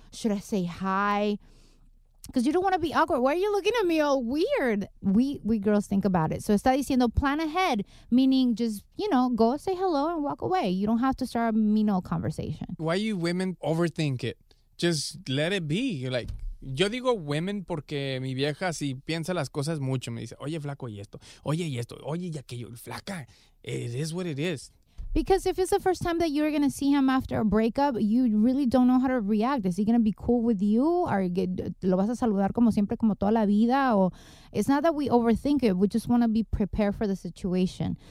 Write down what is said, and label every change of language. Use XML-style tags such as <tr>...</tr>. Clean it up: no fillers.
<en>Should I say hi? Because you don't want to be awkward. Why are you looking at me all weird? We girls think about it. So</en> <es>está diciendo</es> <en>plan ahead, meaning just, you know, go say hello and walk away. You don't have to start a mean old conversation. Why you women overthink it? Just let it be. You're like,</en> <es>yo digo women porque mi vieja sí piensa las cosas mucho. Me dice, oye, flaco, y esto, oye, y aquello, flaca.</es> <en>It is what it is. Because if it's the first time that you're going to see him after a breakup, you really don't know how to react. Is he going to be cool with you? Or</en> <es>lo vas a saludar como siempre, como toda la vida? O</es> <en>It's not that we overthink it. We just want to be prepared for the situation.</en>